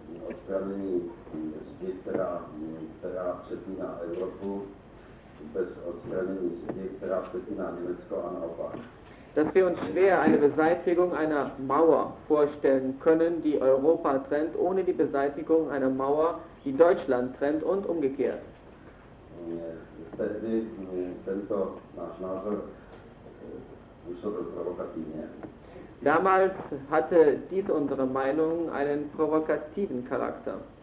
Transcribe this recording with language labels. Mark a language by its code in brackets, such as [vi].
[cs] Odstranění zdi, která přetíná Evropu, bez odstranění zdi, která přetíná Německo a naopak. [de] Dass wir uns schwer eine Beseitigung einer Mauer vorstellen können, die Europa trennt, ohne die Beseitigung einer Mauer, die Deutschland trennt und umgekehrt. [cs] Tehdy tento náš názor působil provokativně. [de] Damals hatte dies unsere Meinung einen provokativen Charakter.